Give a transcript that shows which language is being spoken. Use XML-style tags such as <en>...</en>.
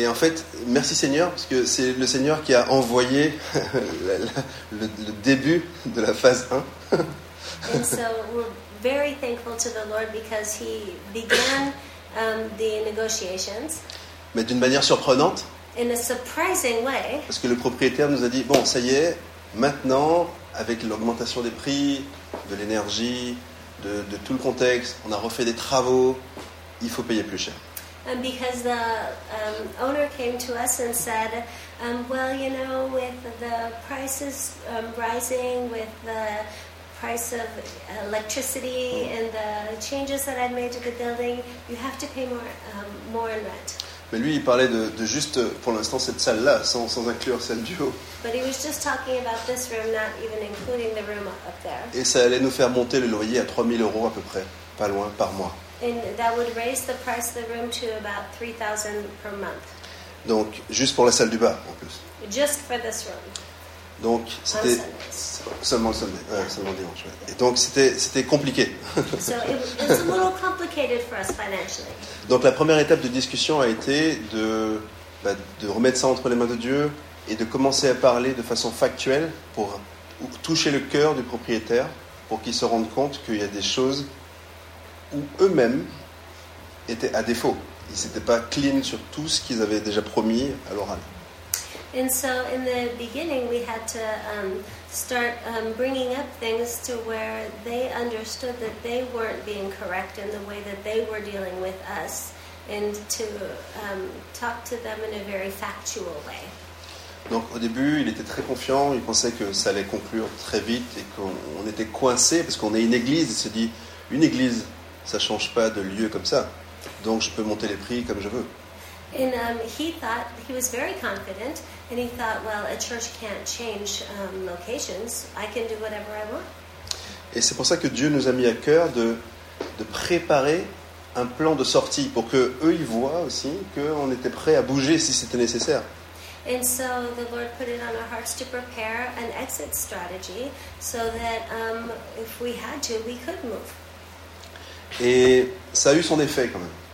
<fr>Et en fait, merci Seigneur, parce que c'est le Seigneur qui a envoyé le début de la phase 1.</fr> <en>And so we're very thankful to the Lord because he began the negotiations.</en> <fr>Mais d'une manière surprenante.</fr> <en>In a surprising way.</en> <fr>Parce que le propriétaire nous a dit, bon, ça y est, maintenant, avec l'augmentation des prix, de l'énergie, de tout le contexte, on a refait des travaux. Il faut payer plus cher.</fr> <en>And because the owner came to us and said, well, you know, with the prices rising, with the price of electricity and the changes that I've made to the building, you have to pay more more in rent.</en> <fr>Mais lui, il parlait de juste pour l'instant cette salle-là, sans inclure celle du haut.</fr> <en>But he was just talking about this room, not even including the room up there.</en> <fr>Et ça allait nous faire monter le loyer à 3000 euros à peu près, pas loin, par mois.</fr> <en>And that would raise the price of the room to about 3,000 per month.</en> <fr>Donc, juste pour la salle du bas, en plus.</fr> <en>Just for this room.</en> <fr>Donc, c'était seulement le dimanche. Ouais. Et donc, c'était compliqué.</fr> <en>So it was a little complicated for us financially.</en> <fr>Donc, la première étape de discussion a été de remettre ça entre les mains de Dieu et de commencer à parler de façon factuelle pour toucher le cœur du propriétaire pour qu'il se rende compte qu'il y a des choses où eux-mêmes étaient à défaut. Ils n'étaient pas clean sur tout ce qu'ils avaient déjà promis à l'oral.</fr> <en>And so in the beginning we had to start bringing up things to where they understood that they weren't being correct in the way that they were dealing with us, and to talk to them in a very factual way.</en> <fr>Donc au début, il était très confiant, il pensait que ça allait conclure très vite et qu'on était coincé parce qu'on est une église, il se dit une église ça change pas de lieu comme ça. Donc je peux monter les prix comme je veux.</fr> <en>And he thought he was very confident and he thought, well, a church can't change locations. I can do whatever I want.</en> <fr>Et c'est pour ça que Dieu nous a mis à cœur de préparer un plan de sortie pour que eux ils voient aussi que on était prêt à bouger si c'était nécessaire.</fr> <en>And so the Lord put it on our hearts to prepare an exit strategy so that if we had to, we could move.</en> <fr>Et ça a eu son effet quand même.</fr>